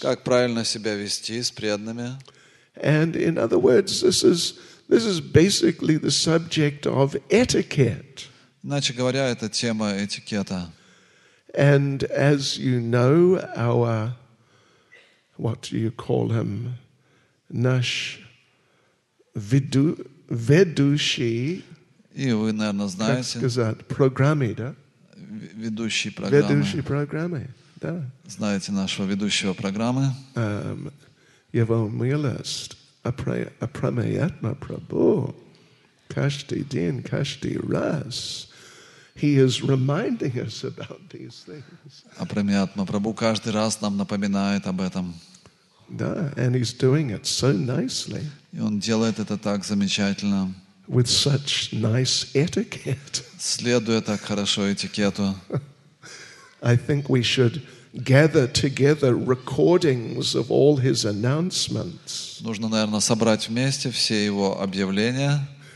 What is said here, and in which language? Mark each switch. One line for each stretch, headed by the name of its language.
Russian: Как правильно себя вести с преданными.
English: And in other words, this is basically the subject of etiquette.
Russian: Иначе говоря, это тема этикета.
English: And as you know, our what do you call him?
Russian: Наш ведущий. И вы, наверное, знаете. Как сказать, программе, да? Ведущий программы. Ведущий программы, да. Знаете нашего ведущего программы? Его милость, апрамеятма Прабху, каждый день, каждый раз,
English: he is reminding us about these things.
Russian: Апрамеятма Прабху каждый раз нам напоминает об этом.
English: Да, and he's doing it so nicely.
Russian: И он делает это так замечательно.
English: With such nice etiquette.
Russian: Следуя так хорошо этикету.
English: I think we should gather together recordings of all his announcements.
Russian: Нужно, наверное, собрать вместе все его объявления.